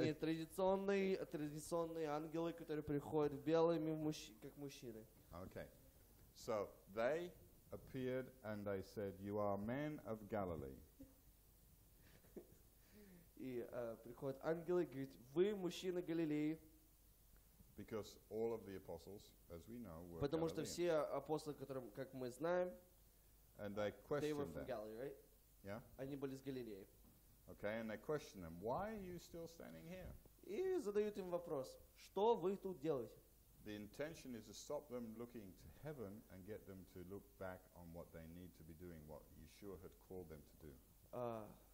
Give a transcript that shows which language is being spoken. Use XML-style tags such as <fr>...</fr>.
<ru>Они традиционные ангелы, которые приходят белыми, как мужчины.</ru> <en>Okay. So they appeared and they said, "You are men of Galilee."</en> <ru>И приходят ангелы, говорят, вы мужчины Галилеи.</ru> <en>Because all of the apostles, as we know, were</en> <ru>Потому что все апостолы, которым, как мы знаем,</ru> <en>and they questioned they were from Galilee, right? Yeah.</en> <ru>Они были с Галилеи.</ru> <en>Okay, and they question them, why are you still standing here?</en> <ru>И задают им вопрос, что вы тут делаете?</ru> <en>The intention is to stop them looking to heaven and get them to look back on what they need to be doing, what Yeshua had called them to do.</en>